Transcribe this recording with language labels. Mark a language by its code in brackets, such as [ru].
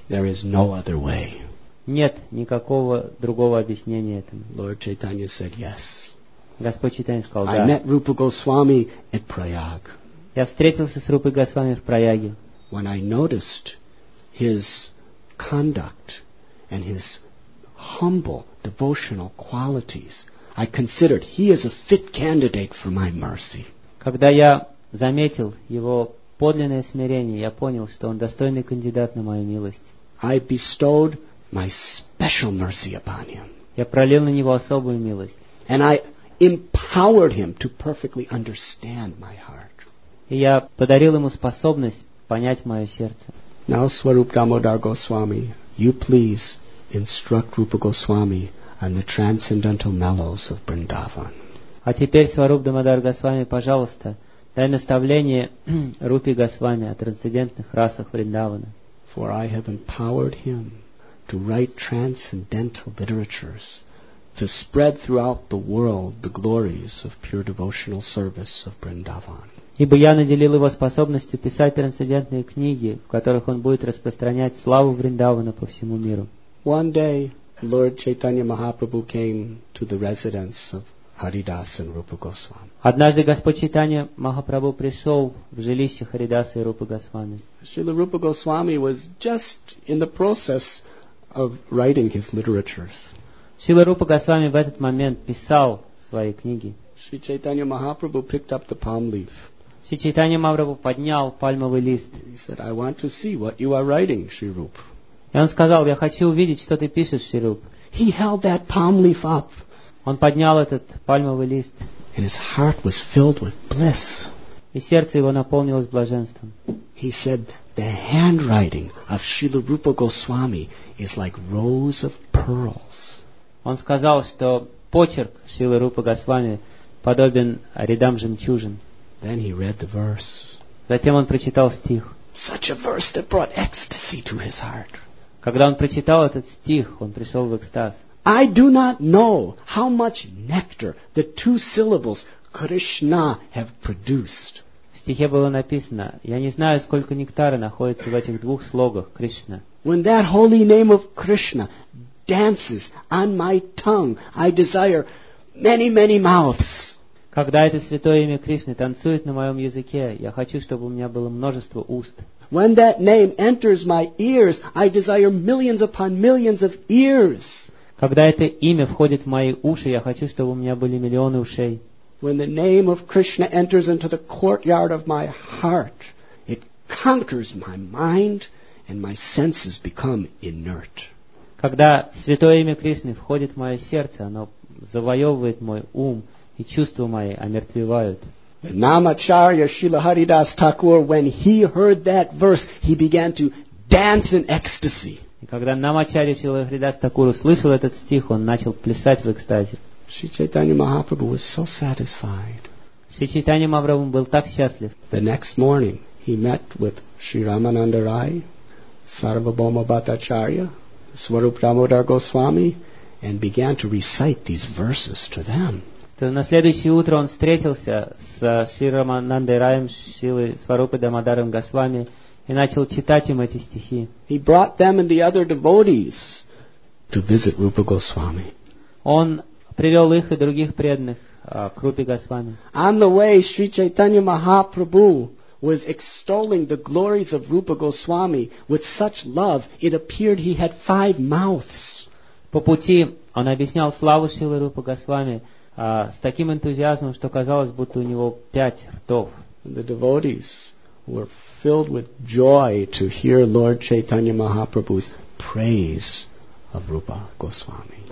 [en] There is no other way. [ru] Нет никакого другого объяснения этому. [en] Lord Chaitanya said yes. [ru] Господь Чайтанья сказал, да. [en] I met Rupa Goswami at Prayag. [ru] Я встретился с Рупой Госвами в Прояге. [en] When I noticed his conduct and his humble devotional qualities, I considered he is a fit candidate for my mercy. [ru] Когда я заметил его подлинное смирение, я понял, что он достойный кандидат на мою милость. [en] I bestowed my special mercy upon him. [ru] Я пролил на него особую милость. [en] And I empowered him to perfectly understand my heart. [ru] И я подарил ему способность понять мое сердце. [en] Now, Swarup Damodar Goswami, you please instruct Rupa Goswami on the transcendental mellows of Vrindavan. [ru] А теперь, Сварупа Дамодар Госвами, пожалуйста, дай наставление Рупе Госвами о трансцендентных расах Вриндавана. [en] For I have empowered him to write transcendental literatures, to spread throughout the world the glories of pure devotional service of Vrindavan. [ru] Ибо я наделил его способностью писать трансцендентные книги, в которых он будет распространять славу Вриндавана по всему миру. [en] One day, Lord Chaitanya Mahaprabhu came to the residence of Haridas and Rupa Goswami. [ru] Однажды Господь Чайтанья Махапрабху пришел в жилище Харидаса и Рупы Госвами. [en] Srila Rupa Goswami was just in the process of writing his literatures. [ru] Srila Rupa Goswami в этот момент писал свои книги. [en] Sri Chaitanya Mahaprabhu picked up the palm leaf. [ru] Sri Chaitanya Mahaprabhu поднял пальмовый лист. [en] He said, I want to see what you are writing, Sri Rup. [ru] И он сказал, я хочу увидеть, что ты пишешь, Sri Rup. [en] He held that palm leaf up. [ru] Он поднял этот пальмовый лист. [en] And his heart was filled with bliss. [ru] И сердце его наполнилось блаженством. [en] He said, the handwriting of Srila Rupa Goswami is like rows of pearls. [ru] Он сказал, что почерк Srila Rupa Goswami подобен рядам жемчужин. [en] Then he read the verse. [ru] Затем он прочитал стих. [en] Such a verse that brought ecstasy to his heart. [ru] Когда он прочитал этот стих, он пришел в экстаз. [en] I do not know how much nectar the two syllables Krishna have produced. [ru] В стихе было написано, я не знаю, сколько нектара находится в этих двух слогах Кришна. [en] When that holy name of Krishna dances on my tongue, I desire many, many mouths. [ru] Когда это святое имя Кришны танцует на моем языке, я хочу, чтобы у меня было множество уст. [en] When that name enters my ears, I desire millions upon millions of ears. [ru] Когда это имя входит в мои уши, я хочу, чтобы у меня были миллионы ушей. [en] When the name of Krishna enters into the courtyard of my heart, it conquers my mind and my senses become inert. [ru] Когда святое имя Кришны входит в мое сердце, оно завоевывает мой ум, и чувства мои омертвевают. [en] Namacharya Srila Haridas Thakur, when he heard that verse, he began to dance in ecstasy. [ru] И когда Намачарья Шрила Харидас Такур услышал этот стих, он начал плясать в экстазе. [en] Sri Chaitanya Mahaprabhu was so satisfied. [ru] Sri Chaitanya Mahaprabhu был так счастлив. [en] The next morning, he met with Sri Ramananda Rai, Sarvabhauma Bhattacharya, Swarup Damodar Goswami, and began to recite these verses to them. [ru] На следующее утро он встретился с Шри Раманандой Раем, Шрилой Сварупой Дамодаром Госвами и начал читать им эти стихи. [en] He brought them and the other devotees to visit Rupa Goswami. [ru] Он привел их и других преданных к Рупе Госвами. [en] On the way, Sri Chaitanya Mahaprabhu was extolling the glories of Rupa Goswami with such love, it appeared he had five mouths. [ru] По пути он объяснял славу Шрилы Рупы Госвами с таким энтузиазмом, что казалось, будто у него пять ртов. [en] The devotees were filled with joy to hear Lord Chaitanya Mahaprabhu's praise of Rupa Goswami.